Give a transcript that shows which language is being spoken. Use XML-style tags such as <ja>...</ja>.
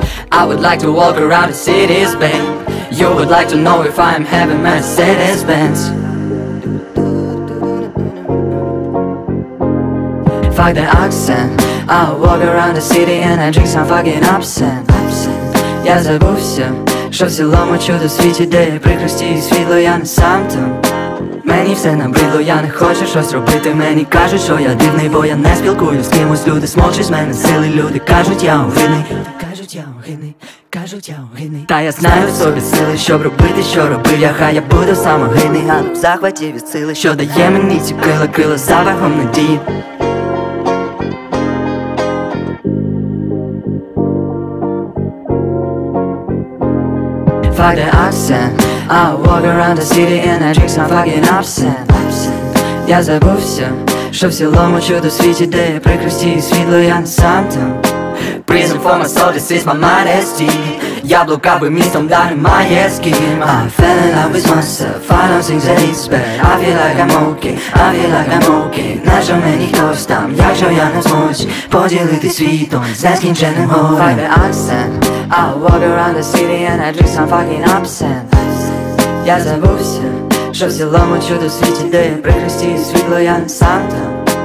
<en>I would like to walk around the city's bay. You would like to know if I'm having Mercedes Benz. Fuck the accent. I walk around the city and I drink some fucking absinthe.</en> <uk>Я забувся, що в цілому чудо світі, де є прикрості і світло, я не сам там. Мені все набридло, я не хочу щось робити. Мені кажуть, що я дивний, бо я не спілкуюсь з кимось. Люди смовчуть з мене сили, люди кажуть, я огидний. Кажуть, я огидний, кажуть, я огидний. Та я знаю в собі сили, щоб робити, що робив я. Хай я буду самогидний, але в захваті від сили, що дає мені ці крила, крила запахом надії.</uk> <en>Fuck the accent. I walk around the city and I drink some fucking absinthe.</en> <uk>Я забувся, що в цілому чудо світі, де є прикрості і світло, я не сам там.</uk> <en>Prison for my soul, this is my modesty.</en> <uk>Я блукав би містом, да немає з ким.</uk> <en>I fell in love with myself, I don't think that it's bad. I feel like I'm okay, I feel like I'm okay.</en> <uk>Нащо мені хтось там, якщо я не зможу поділити світом з нескінченим горем.</uk> <en>Fuck the accent. I walk around the city and I drink some fucking absinthe.</en> <uk>Я забувся, що в цілому чудо світі, де я прикрості і світло, я не сам там.</uk>